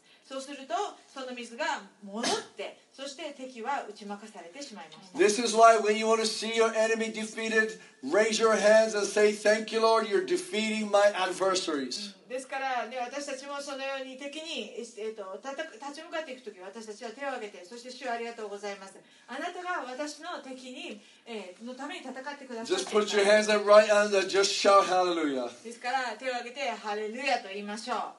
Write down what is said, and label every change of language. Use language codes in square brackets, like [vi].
[ja] そうするとその水が戻ってそして敵は打ち負かされてしまいました。 [en] This is why when you want to see your enemy defeated, raise your hands and say, "Thank you, Lord, you're defeating my adversaries." [ja] ですからね、私たちもそのように敵に立ち向かっていくとき、私たちは手を挙げて、そして主ありがとうございます。あなたが私の敵に、のために戦ってください。 [en] Just put your hands up right and just shout hallelujah. [ja] ですから手を挙げてハレルヤと言いましょう。